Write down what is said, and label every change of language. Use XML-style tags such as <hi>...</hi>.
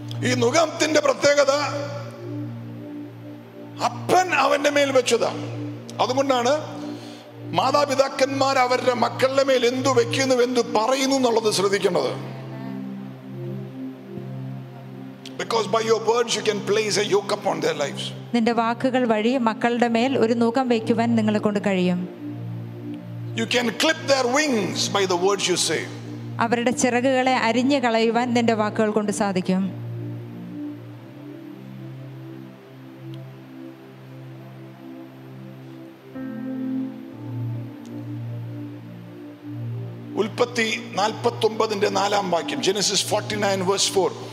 <ml>ഈ മുഖത്തിന്റെ പ്രത്യേകത, അപ്പൻ അവന്റെ മേൽ വെച്ചതാ. അതുകൊണ്ടാണ് മാതാപിതാക്കന്മാർ അവരുടെ മക്കളുടെ മേൽ എന്തു വെക്കുന്നു, എന്തു പറയുന്നു എന്നുള്ളത് ശ്രദ്ധിക്കേണ്ടത്.</ml> <en>Because by your words you can place a yoke upon their lives.</en> <ml>നിന്റെ വാക്കുകൾ വഴി മക്കളുടെ മേൽ ഒരു നൂകം വെക്കുവാൻ നിങ്ങളെ കൊണ്ട് കഴിയും.</ml> <en>You can clip their wings by the words you say.</en> <ml>അവരുടെ ചിറകുകളെ അരിഞ്ഞു കളയുവാൻ നിന്റെ വാക്കുകൾ കൊണ്ട് സാധിക്കും. ഉൽപ്പത്തി 49:4 നാലാം വാക്യം, Genesis 49:4.</ml>